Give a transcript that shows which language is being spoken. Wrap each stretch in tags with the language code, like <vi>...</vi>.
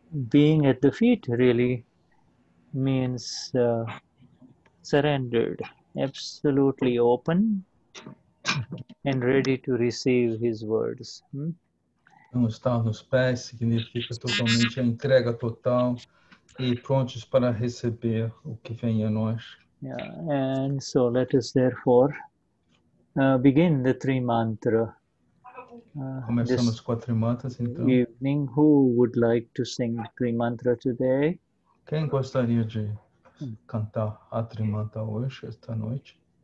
<en>Being at the feet really means surrendered, absolutely open and ready to receive his words.</en> <pt>Não estar nos pés significa totalmente a entrega total e prontos para receber o que vem a nós.</pt> <en>Yeah, and so let us therefore begin the three mantra.</en> <pt>Começamos com a trimantra, então.</pt> <en>Evening, who would like to sing three mantra today?</en> <pt>Quem gostaria de cantar a trimantra hoje, esta noite?</pt>